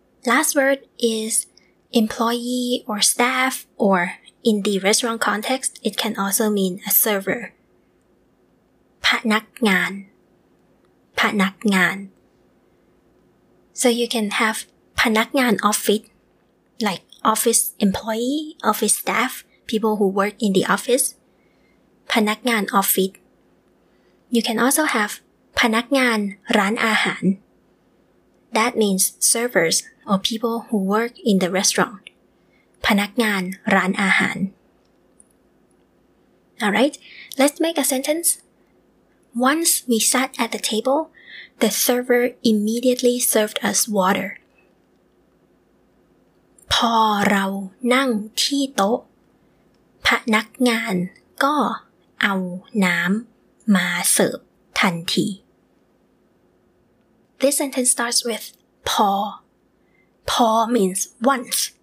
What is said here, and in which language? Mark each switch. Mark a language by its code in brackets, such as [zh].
[en] last word is employee or staff or in the restaurant context it can also mean a server [th] พนักงานพนักงาน [en] So you can have [th] พนักงาน [en] office like office employee office staff people who work in the office พนักงาน office You can also have [th] พนักงานร้านอาหาร [en] That means servers or people who work in the restaurant พนักงานร้านอาหาร Alright, let's make a sentence. Once we sat at the table, the server immediately served us water. [th] พอเรานั่งที่โต๊ะพนักงานก็เอาน้ำมาเสิร์ฟทันที [en] This sentence starts with พอ พอ means once